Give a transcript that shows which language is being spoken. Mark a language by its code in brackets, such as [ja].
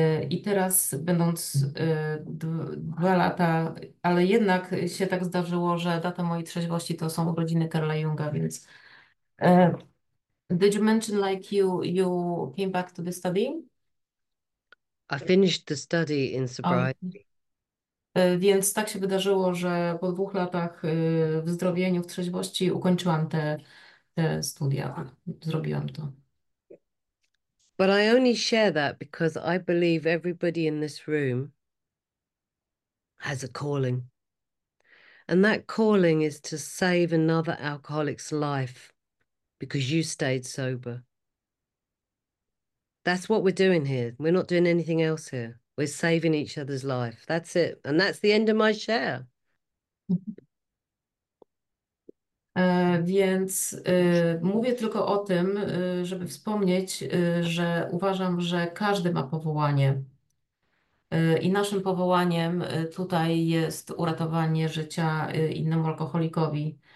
[pl] I teraz, będąc 2 lata, ale jednak się tak zdarzyło, że data mojej trzeźwości to są urodziny Carla Junga, więc. [en] Did you mention like you came back to the studying? I finished the study in Oh. sobriety. [pl] Więc tak się wydarzyło, że po 2 latach w zdrowieniu, w trzeźwości ukończyłam te studia. Zrobiłam to. [en] But I only share that because I believe everybody in this room has a calling. And that calling is to save another alcoholic's life because you stayed sober. That's what we're doing here. We're not doing anything else here. We're saving each other's life. That's it. And that's the end of my share. [pl] Więc mówię tylko o tym, żeby wspomnieć, że uważam, że każdy ma powołanie. I naszym powołaniem tutaj jest uratowanie życia innemu alkoholikowi.